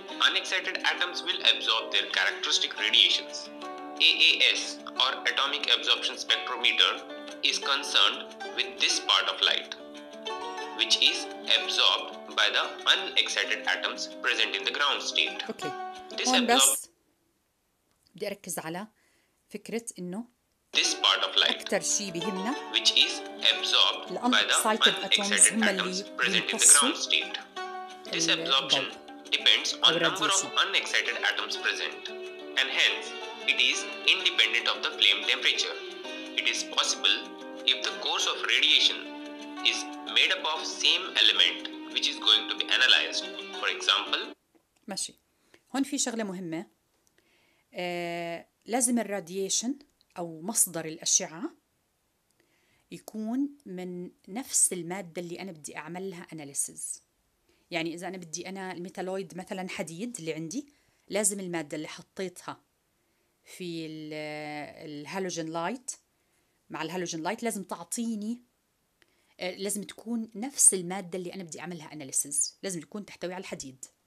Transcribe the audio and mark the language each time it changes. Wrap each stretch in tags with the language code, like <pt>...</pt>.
<en>Unexcited atoms will absorb their characteristic radiations. AAS or atomic absorption spectrometer is concerned with this part of light, which is absorbed by the unexcited atoms present in the ground state. Okay. This</en> <ar>هون بس بدي أركز على فكرة إنه</ar> <en>this part of light</en> <ar>أكتر شيء بهمنا</ar> <en>which is absorbed by the excited atoms present in the ground state. This absorption depends on number of unexcited atoms present and hence it is independent of the flame temperature. It is possible if the course of radiation is made up of same element which is going to be analyzed. For example,</en> <ar>ماشي. هون في شغلة مهمة. لازم الراديشن أو مصدر الأشعة يكون من نفس المادة اللي أنا بدي أعملها analysis. يعني إذا أنا بدي أنا الميتالويد مثلا حديد اللي عندي، لازم المادة اللي حطيتها في الهالوجين لايت مع الهالوجين لايت لازم تعطيني، لازم تكون نفس المادة اللي أنا بدي أعملها analysis، لازم تكون تحتوي على الحديد.</ar>